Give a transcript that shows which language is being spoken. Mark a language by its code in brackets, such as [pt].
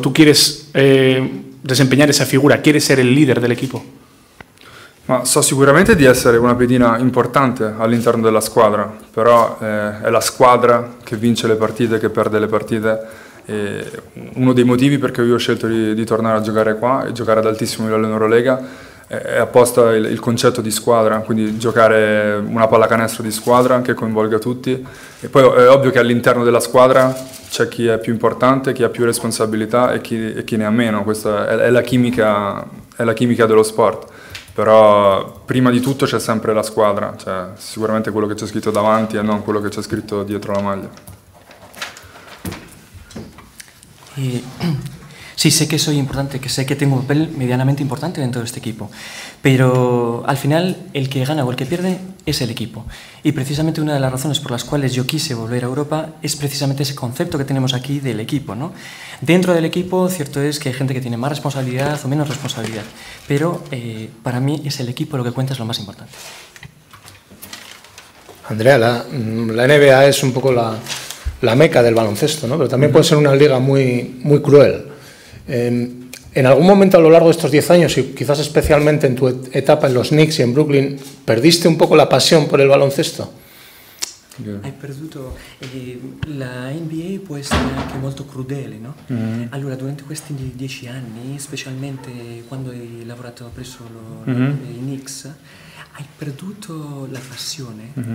[es] ¿Tú quieres desempeñar esa figura? ¿Quieres ser el líder del equipo? [it] Ma so sicuramente di essere una pedina importante all'interno della squadra, però è la squadra che vince le partite, che perde le partite. Uno dei motivi perché io ho scelto di tornare a giocare qua e giocare ad altissimo livello in Eurolega è apposta il concetto di squadra, quindi giocare una pallacanestro di squadra che coinvolga tutti. E poi è ovvio che all'interno della squadra c'è chi è più importante, chi ha più responsabilità e chi ne ha meno. Questa è la chimica dello sport. Poi però prima di tutto c'è sempre la squadra, cioè sicuramente quello che c'è scritto davanti e non quello che c'è scritto dietro la maglia. E... [es] Sí, sé que soy importante, que sé que tengo un papel medianamente importante dentro de este equipo, pero al final el que gana o el que pierde es el equipo. Y precisamente una de las razones por las cuales yo quise volver a Europa es precisamente ese concepto que tenemos aquí del equipo, ¿no? Dentro del equipo, cierto es que hay gente que tiene más responsabilidad o menos responsabilidad, pero para mí es el equipo lo que cuenta, es lo más importante. Andrea, la NBA es un poco la meca del baloncesto, ¿no? Pero también puede ser una liga muy, muy cruel. En algún momento a lo largo de estos 10 años y quizás especialmente en tu etapa en los Knicks y en Brooklyn, ¿perdiste un poco la pasión por el baloncesto? [it] Hai perduto la NBA può essere anche molto crudele, no? Allora durante questi 10 anni, specialmente quando hai lavorato presso i Knicks, hai perduto la passione?